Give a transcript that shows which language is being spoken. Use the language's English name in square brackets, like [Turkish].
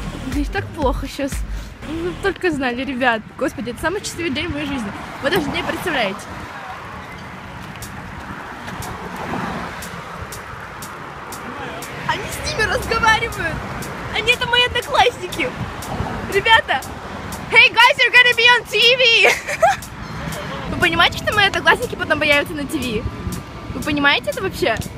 [Russian] Здесь так плохо сейчас. Вы только знали, ребят. Господи, это самый счастливый день в моей жизни. Вы даже не представляете. Они с ними разговаривают. Они это мои одноклассники. Ребята. [English] Hey guys, you're gonna be on TV. [Russian] Вы понимаете, что мои одноклассники потом появятся на TV? Вы понимаете это вообще?